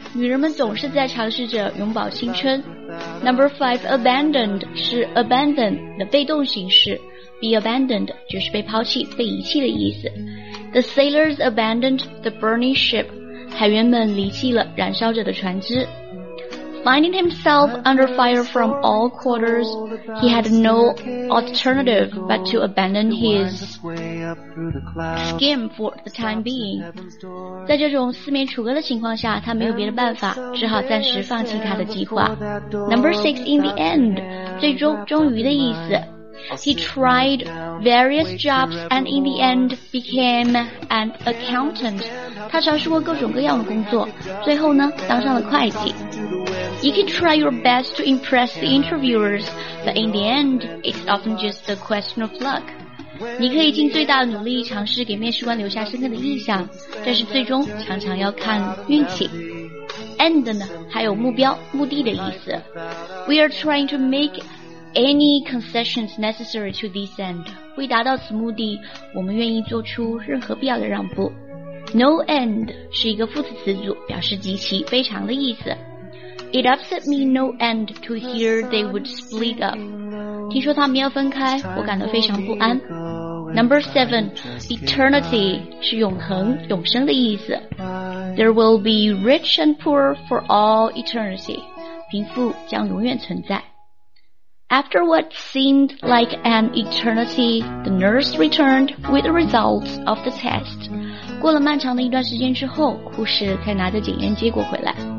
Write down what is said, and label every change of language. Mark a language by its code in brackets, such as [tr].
[zh] 女人们总是在尝试着永葆青春。 [en] Number five, [zh] abandoned 是 abandon 的被动形式。 [en] Be abandoned [zh] 就是被抛弃、被遗弃的意思。 [en] The sailors abandoned the burning ship. [zh] 海员们离弃了燃烧着的船只。 [en] Finding himself under fire from all quarters, he had no alternative but to abandon his scheme for the time being. [zh] 在这种四面楚歌的情况下，他没有别的办法，只好暂时放弃他的计划。 [en] Number six, in the end, [zh] 最终、终于的意思。 [en] He tried various jobs and in the end became an accountant. [zh] 他尝试过各种各样的工作，最后呢，当上了会计。 [en] You can try your best to impress the interviewers, but in the end, it's often just a question of luck. [zh] 你可以尽最大的努力尝试给面试官留下深刻的印象，但是最终常常要看运气。 [en] End [zh] 呢，还有目标、目的的意思。 [en] We are trying to make any concessions necessary to this end. [zh] 为达到此目的，我们愿意做出任何必要的让步。 No end 是一个副词词组，表示极其、非常的意思。 [en] It upset me no end to hear they would split up. [zh] 听说他们要分开，我感到非常不安。 [en] Number seven, [zh] eternity 是永恒、永生的意思。 [en] There will be rich and poor for all eternity. [zh] 贫富将永远存在。 [en] After what seemed like an eternity, the nurse returned with the results of the test. [zh] 过了漫长的一段时间之后，护士才拿着检验结果回来。